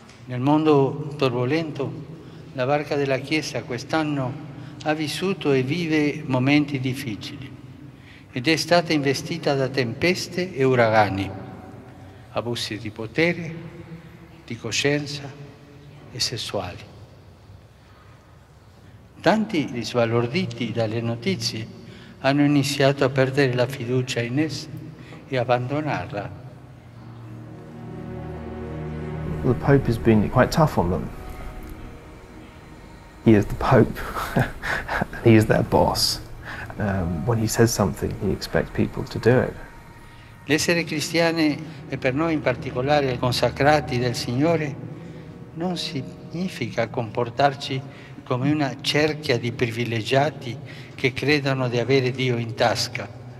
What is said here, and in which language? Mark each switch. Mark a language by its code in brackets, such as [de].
[it] Nel mondo turbolento, la barca della Chiesa quest'anno ha vissuto e vive momenti difficili ed è stata investita da tempeste e uragani, abusi di potere, di coscienza e sessuali. Tanti sbalorditi dalle notizie hanno iniziato a perdere la fiducia in essa e abbandonarla. [en] The Pope has been quite tough on them. He is the Pope, and he is their boss. When he says something, he expects people to do it. [it] L'essere cristiani e per noi in particolare consacrati del Signore non significa comportarci come una cerchia di privilegiati che credono di avere Dio in tasca.